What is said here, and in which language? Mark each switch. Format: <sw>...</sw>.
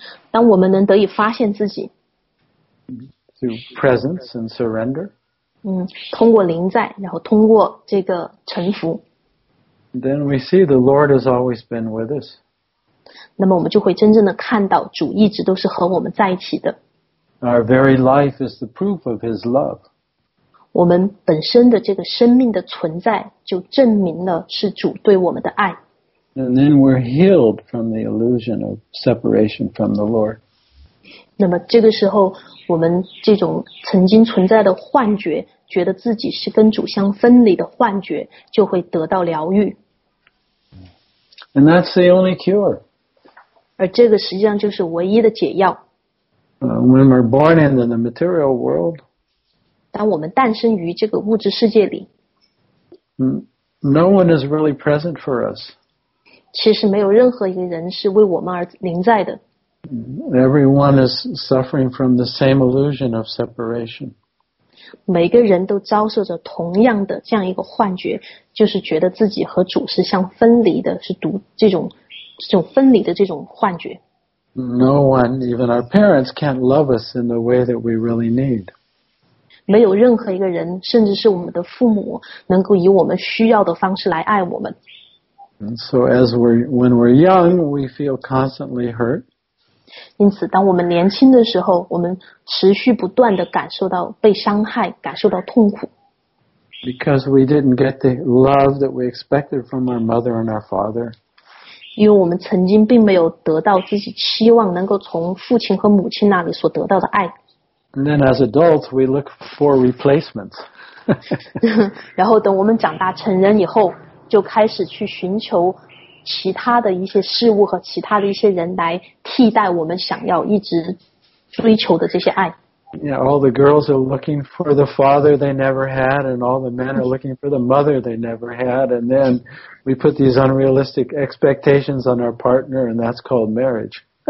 <zh>当我们能得以发现自己</zh> <en>through presence and surrender,</en> <zh>通过临在，然后通过这个臣服</zh> <en>then we see the Lord has always been with us.</en> <zh>那么我们就会真正的看到主一直都是和我们在一起的</zh> <en>Our very life is the proof of His love.</en> <zh>我们本身的这个生命的存在就证明了是主对我们的爱。</zh> <en>And then we're healed from the illusion of separation from the Lord.</en> <zh>那么这个时候我们这种曾经存在的幻觉，觉得自己是跟主相分离的幻觉，就会得到疗愈。</zh> <en>And that's the only cure.</en> <zh>而这个实际上就是唯一的解药。</zh> <en>When we're born into the material world,</en> <zh>当我们诞生于这个物质世界里</zh> <en>No one is really present for us.</en> <zh>其实没有任何一个人是为我们而临在的</zh> <en>Everyone is suffering from the same illusion of separation.</en> <zh>每个人都遭受着同样的这样一个幻觉，就是觉得自己和主是相分离的，是独这种分离的这种幻觉</zh> <en>No one, even our parents, can't love us in the way that we really need.</en> <zh>没有任何一个人，甚至是我们的父母，能够以我们需要的方式来爱我们。</zh> <en>So as when we're young, we feel constantly hurt.</en> <zh>因此，当我们年轻的时候，我们持续不断地感受到被伤害，感受到痛苦。</zh> <en>Because we didn't get the love that we expected from our mother and our father.</en> <zh>因为我们曾经并没有得到自己期望能够从父亲和母亲那里所得到的爱。</zh> <en>And then as adults, we look for replacements.</en> <zh>然后等我们长大成人以后，就开始去寻求其他的一些事物和其他的一些人来替代我们想要一直追求的这些爱。</zh> <en>Yeah, all the girls are looking for the father they never had, and all the men are looking for the mother they never had, and then we put these unrealistic expectations on our partner, and that's called marriage.</en>